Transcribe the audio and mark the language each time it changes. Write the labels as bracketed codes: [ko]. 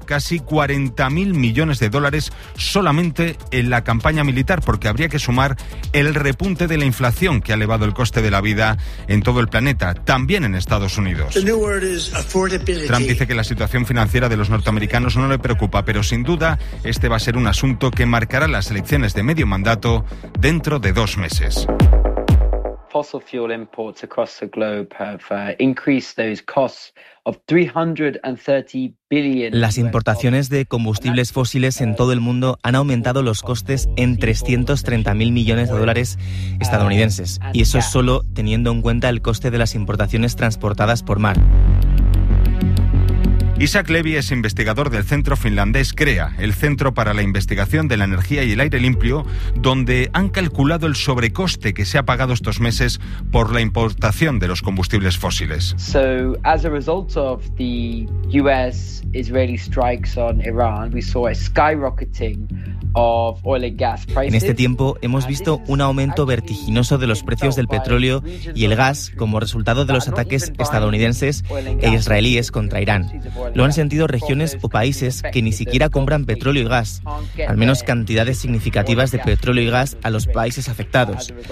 [es] Casi 40.000 millones de dólares solamente en la campaña militar, porque habría que sumar el repunte de la inflación que ha elevado el coste de la vida en todo el planeta, también en Estados Unidos. [en] The new word is affordability. [es] Trump dice que la situación situación financiera de los norteamericanos no le preocupa, pero sin duda este va a ser un asunto que marcará las elecciones de medio mandato dentro de 2 meses. [en] Fossil fuel imports across the globe have increased those costs of 330 billion. [es] Las importaciones de combustibles fósiles en todo el mundo han aumentado los costes en 330 mil millones de dólares estadounidenses. Y eso es solo teniendo en cuenta el coste de las importaciones transportadas por mar. Isaac Levy es investigador del centro finlandés CREA, el Centro para la Investigación de la Energía y el Aire Limpio, donde han calculado el sobrecoste que se ha pagado estos meses por la importación de los combustibles fósiles. [en] So, as a result of the US-Israeli strikes on Iran, we saw a skyrocketing of oil and gas prices. [es] En este tiempo hemos visto un aumento vertiginoso de los precios del petróleo y el gas como resultado de los ataques estadounidenses e israelíes contra Irán. Lo han sentido regiones o países que ni siquiera compran petróleo y gas, al menos cantidades significativas de petróleo y gas a los países afectados.